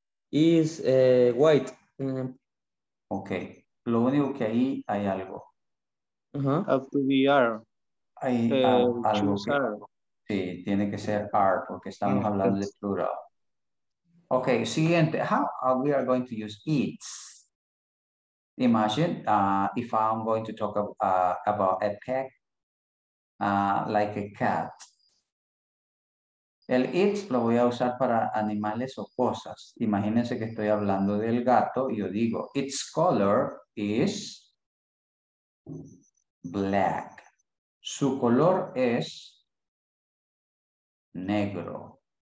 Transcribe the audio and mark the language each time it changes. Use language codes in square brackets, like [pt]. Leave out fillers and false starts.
[en] Is white. [es] Mm-hmm. Ok, lo único que ahí hay algo. [en] Uh-huh. Up to the R. [es] Hay algo que, sí, tiene que ser R porque estamos hablando de plural. [en] Ok, [es] siguiente. [en] How are we going to use eats? Imagine if I'm going to talk about a pet like a cat. [es] El eats lo voy a usar para animales o cosas. Imagínense que estoy hablando del gato y yo digo, [en] its color is black. [es] Su color es negro.